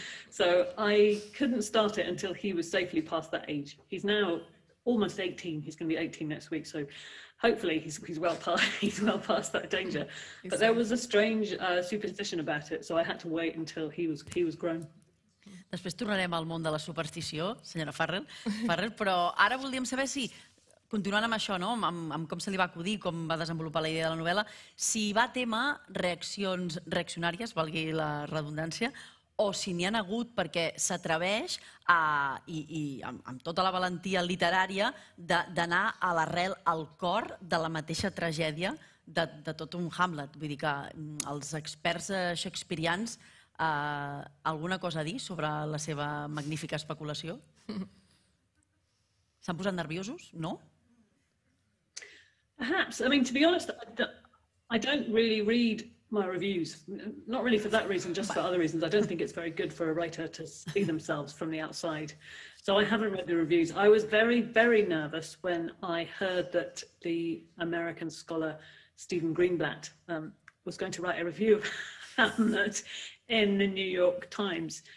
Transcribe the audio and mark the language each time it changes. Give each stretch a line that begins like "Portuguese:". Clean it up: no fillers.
English: So I couldn't start it until he was safely past that age. He's now almost 18, he's gonna be 18 next week. So hopefully he's well past that danger. But there was a strange superstition about it, so I had to wait until he was grown.
Catalan: Després tornarem al món de la superstició, senyora Farrell, però ara voldríem saber si, continuant amb això, amb com se li va acudir, com va desenvolupar la idea de la novel·la, si hi va tema reaccions reaccionàries, valgui la redundància, o si n'hi ha hagut perquè s'atreveix, i amb tota la valentia literària, d'anar a l'arrel, al cor de la mateixa tragèdia de tot un Hamlet. Vull dir que els experts shakespearians, alguna cosa a dir sobre la seva magnífica especulació? S'han posat nerviosos? No?
English: Perhaps. I mean, to be honest, I don't really read my reviews, not really for that reason, just for other reasons. I don't think it's very good for a writer to see themselves from the outside. So I haven't read the reviews. I was very, very nervous when I heard that the American scholar Stephen Greenblatt was going to write a review of Hamnet in the New York Times.